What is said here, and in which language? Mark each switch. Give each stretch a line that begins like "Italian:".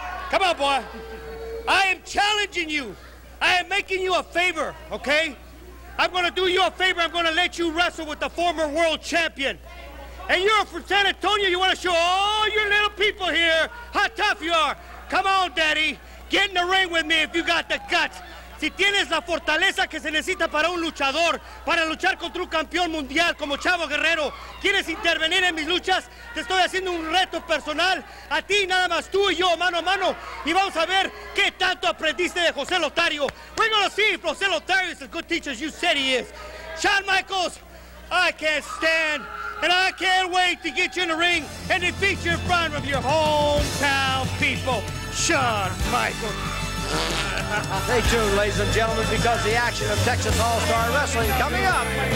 English: Come on, boy. I am challenging you. I am making you a favor, okay? I'm going to do you a favor. I'm going to let you wrestle with the former world champion. And you're from San Antonio. You want to show all your little people here how tough you are. Come on, Daddy. Get in the ring with me if you got the guts.
Spanish: Si tienes la fortaleza que se necesita para un luchador, para luchar contra un campeón mundial como Chavo Guerrero, quieres intervenir en mis luchas, te estoy haciendo un reto personal a ti, nada más tú y yo, mano a mano, y vamos a ver qué tanto aprendiste de José Lothario.
English: We're gonna see if José Lothario is as good teacher as you said he is. Shawn Michaels, I can't stand, and I can't wait to get you in the ring and defeat you in front of your hometown people. Shawn Michaels. Stay tuned, ladies and gentlemen, because the action of Texas All-Star Wrestling coming up.